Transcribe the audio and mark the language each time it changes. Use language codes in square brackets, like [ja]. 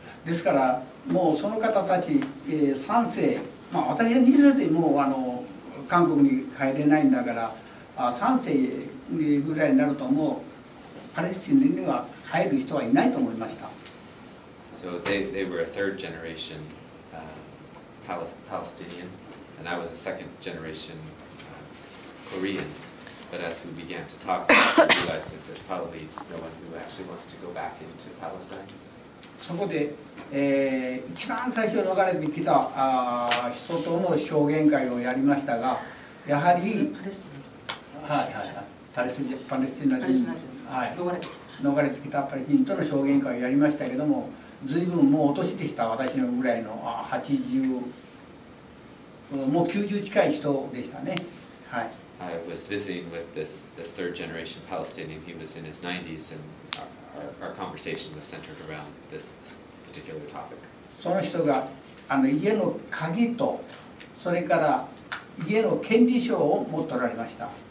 [ja] ですから、もうその方たち、3世、まあ私は2世でもう韓国に帰れないんだから、3世ぐらいになるともうパレスチナには帰る人はいないと思いました。 [en] So they were a third generation Palestinian, and I was a second generation Korean. But as we began to talk, I realized that there's probably no one who actually wants to go back into Palestine. [ja] そこで、一番最初逃れてきた人との証言会をやりましたが、やはりパレスチナ、はいはいはい、パレスチナ人、はい、逃れてきたパレスチナ人との証言会をやりましたけども。随分もう落としてきた私のぐらいの80もう90近い人でしたね。はい。 [en] I was visiting with this third generation Palestinian. He was in his 90s, and our conversation was centered around this, this particular topic. [ja] その人が、あの家の鍵と、それから家の権利書を持っておられました。